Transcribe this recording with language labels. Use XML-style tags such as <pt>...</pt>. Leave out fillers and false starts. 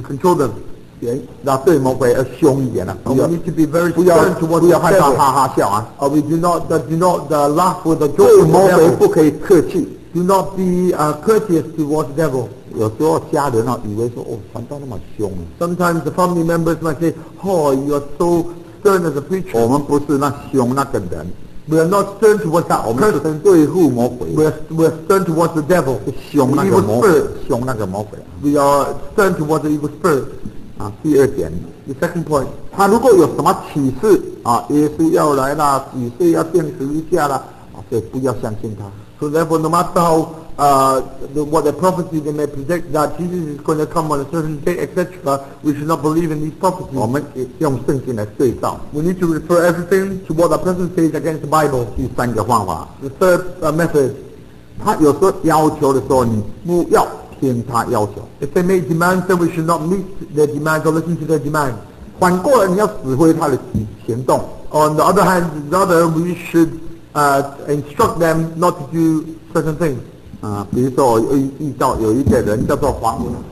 <en>to control them.</en> <zh>那对魔鬼要凶一点啊，不要害怕哈哈笑啊。</zh> <en>We do not, laugh with the joke.</en> <zh>对魔鬼不可以客气。</zh> <en>Do not be courteous towards the devil.</en> <zh>有时候家人啊，以为说哦，传道那么凶。</zh> <en>Sometimes the family members might say, oh, you are so stern as a preacher.</en> <zh>我们不是那凶那个人。</zh> <en>We are not stern towards that person.</en> <zh>我们是对付魔鬼。</zh> <en>We are stern towards the devil.</en> <zh>凶那个魔鬼。</zh> <en>We are stern towards the evil spirit.</en> <zh>第二点,</zh> <en>the second point,</en> <zh>他如果有什么启示, 耶稣要来啦, 启示要证实一下啦, 所以不要相信他。</zh> <en>So therefore, no matter how, what the prophecy they may predict, that Jesus is going to come on a certain day, etc., we should not believe in these prophecies.</en> <zh>我们用圣经来对照。</zh> <en>We need to refer everything to what the present says against the Bible.</en> <zh>第三个方法,</zh> <en>the third method,</en> <zh>他有时候要求的时候你不要, 听他要求,</zh> <en>if they make demands, then we should not meet their demands or listen to their demands.</en> <zh>反过来你要指挥他的行动,</zh> <en>on the other hand, we should instruct them not to do certain things.</en> <zh>比如说我遇到有一个人叫做黄,</zh>